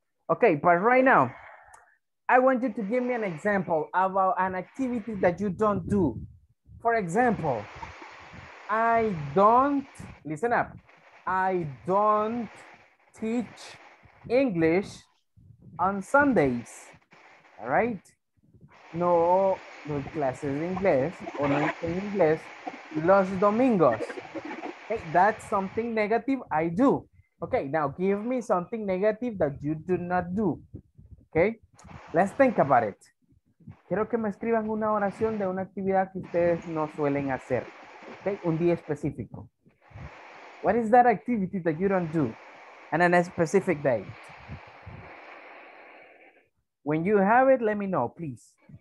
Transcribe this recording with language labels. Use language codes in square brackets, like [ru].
[en] Okay, but right now, I want you to give me an example about an activity that you don't do. For example, I don't, listen up, I don't teach English on Sundays. All right, [es] no doy clases de inglés o no enseño inglés los domingos. [en] Okay, that's something negative I do. Okay, now give me something negative that you do not do. Okay, let's think about it. [es] Quiero que me escriban una oración de una actividad que ustedes no suelen hacer. Okay, un día específico. [en] What is that activity that you don't do and on a specific day? When you have it, let me know, please.